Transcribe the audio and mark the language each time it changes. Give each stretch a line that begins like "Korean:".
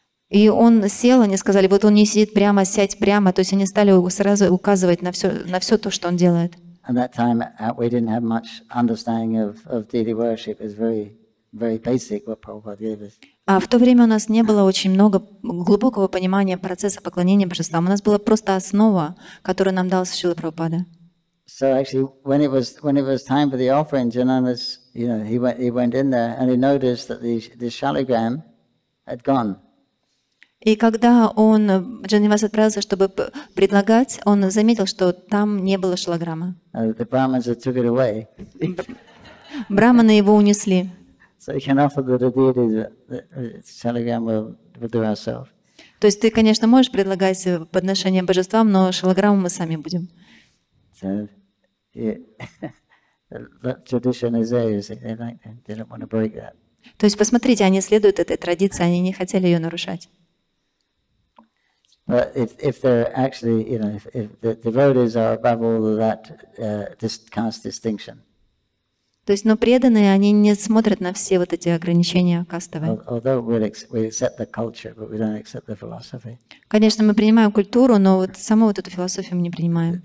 Russian: И он сел, они сказали, вот он не сидит прямо, сядь прямо. То есть они стали сразу указывать на все то, что он делает.
English: At that time, we didn't have much understanding of deity worship. It was very, very basic what Prabhupada gave us.
Russian: А в то время у нас не было очень много глубокого понимания процесса поклонения божествам. У нас была просто основа, которую нам дал Шрила Прабхупада.
English: So actually, when it was time for the offering, Jananas, you know, he went in there and he noticed that the shaligram had gone.
Russian: И когда он Джанивас отправился, чтобы предлагать, он заметил, что там не было шалограмма.
English: The brahmins took it away.
Russian: Брахманы его унесли.
English: So you can offer the deity the shaligram we'll do ourselves.
Russian: То есть ты, конечно, можешь предлагать подношение божествам, но шалограмму мы сами будем.
English: So, yeah. The tradition is there. You see, they didn't want to break that.
Russian: То есть посмотрите, они следуют этой традиции, они не хотели ее нарушать.
English: But if they're actually, you know, if the devotees are above all of that this caste distinction.
Russian: То есть, но преданные они не смотрят на все вот эти ограничения кастовые.
English: Although we accept the culture, but we don't accept the philosophy.
Russian: Конечно, мы принимаем культуру, но вот саму вот эту философию мы не принимаем.